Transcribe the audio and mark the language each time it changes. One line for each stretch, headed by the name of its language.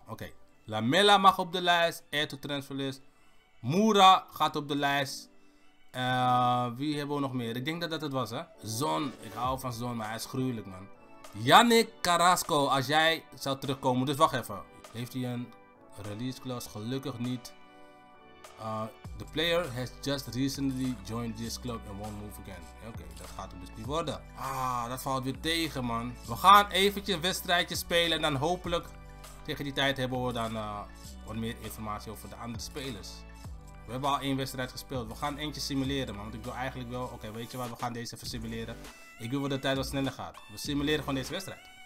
Dutch: Oké. Okay. Lamella mag op de lijst. Eto Transferlist. Moura gaat op de lijst. Wie hebben we nog meer? Ik denk dat dat het was, hè. Zon. Ik hou van Zon, maar hij is gruwelijk, man. Yannick Carrasco, als jij zou terugkomen. Dus wacht even. Heeft hij een release clause? Gelukkig niet.
English: The player has just recently joined this club and won't move again.
Dutch: Oké, dat gaat hem dus niet worden. Dat valt weer tegen, man. We gaan eventjes een wedstrijdje spelen. En dan hopelijk tegen die tijd hebben we dan wat meer informatie over de andere spelers. We hebben al één wedstrijd gespeeld. We gaan eentje simuleren, man. Want ik wil eigenlijk wel... Oké, weet je wat? We gaan deze even simuleren. Ik wil dat de tijd wat sneller gaat. We simuleren gewoon deze wedstrijd.